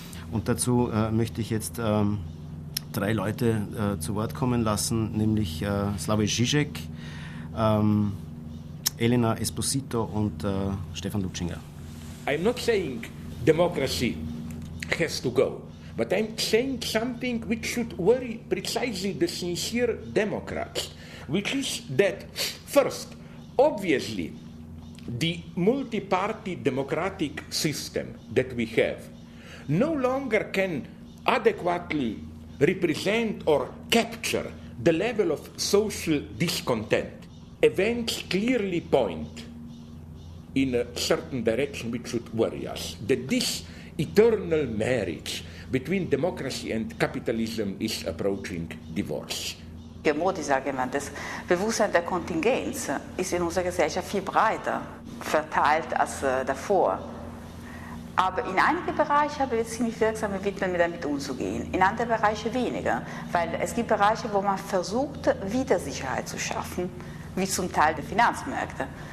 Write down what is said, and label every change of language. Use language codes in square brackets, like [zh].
[de] Und dazu möchte ich jetzt drei Leute zu Wort kommen lassen, nämlich Slavoj Žižek, Elena Esposito und Stefan Lutschinger. [en] I'm not saying democracy has to go, but I'm saying something which should worry precisely the sincere Democrats. Which is that, first, obviously, the multi-party democratic system that we have no longer can adequately represent or capture the level of social discontent. Events clearly point in a certain direction which should worry us, that this eternal marriage between democracy and capitalism is approaching divorce. [de] Modi sage man, das Bewusstsein der Kontingenz ist in unserer Gesellschaft viel breiter verteilt als davor. Aber in einigen Bereichen haben wir ziemlich wirksame Mittel, damit umzugehen. In anderen Bereichen weniger, weil es gibt Bereiche, wo man versucht, wieder Sicherheit zu schaffen, wie zum Teil die Finanzmärkte.